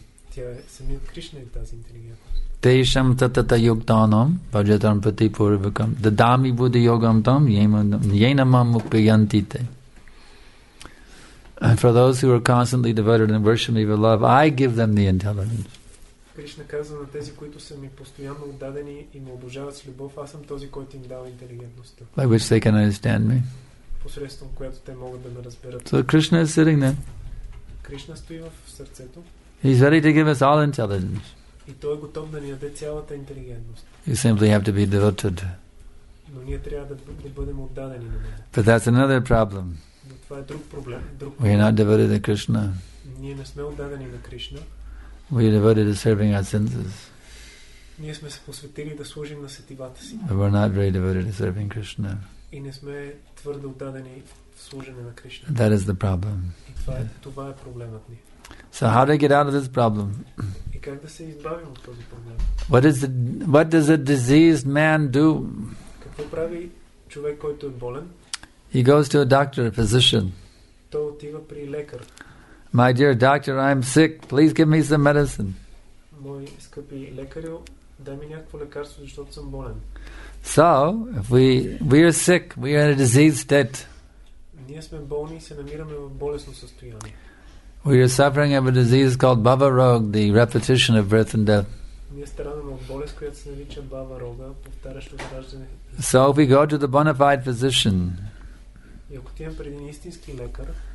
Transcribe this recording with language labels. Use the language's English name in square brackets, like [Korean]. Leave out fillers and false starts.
[Sanskrit] Tesham tatata yogdanam vajatam pati purvakam dadami buddhi yogam tam yenamam upayantite. [English] And for those who are constantly devoted and worship me with love, I give them the intelligence. [Bulgarian] Krishna казва на тези, които са ми постоянно отдадени и ме обожават с любов, аз съм този, който им дава интелигентността. [English] By which they can understand me. [Bulgarian] Посредством която те могат да ме разберат. [English] So Krishna is sitting there. [Bulgarian] Krishna стои в сърцето. [English] He's ready to give us all intelligence. [Bulgarian] И той е готов да ни даде цялата интелигентност. [English] You simply have to be devoted. [Bulgarian] Но ние трябва да бъдем отдадени на него. [English] But that's another problem. [Bulgarian] Но това е друг проблем. [English] We are not devoted to Krishna. [Bulgarian] Ние не сме отдадени на Кришна. [English] We are devoted to serving our senses. [Bulgarian] Ние сме се посветили да служим на сетивата си. [English] But we're not very devoted to serving Krishna. [Bulgarian] И не сме твърдо отдадени в служене на Кришна. [English] That is the problem. [Bulgarian] Това е проблемът ни. [English] So how do we get out of this problem? [Bulgarian] И как да се избавим от този проблем? [English] What does a diseased man do? [Bulgarian] Какво прави човек, който е болен? [English] He goes to a doctor, a physician. [Bulgarian] Той отива при лекар. [English] My dear doctor, I'm sick. Please give me some medicine. [Bulgarian] Мой скъпи лекарю, дай ми някакво лекарство, защото съм болен. [English] So, if we are sick, we are in a diseased state. [Bulgarian] Ние сме болни и се намираме в болесно състояние. [English] We are suffering of a disease called Bhava Rog, the repetition of birth and death. [Bulgarian] Ние страдаме от болест, която се нарича Бава Рога, повтарящо се раждане. [English] So, if we go to the bona fide physician. [Bulgarian] И ако отидем при един истински лекар.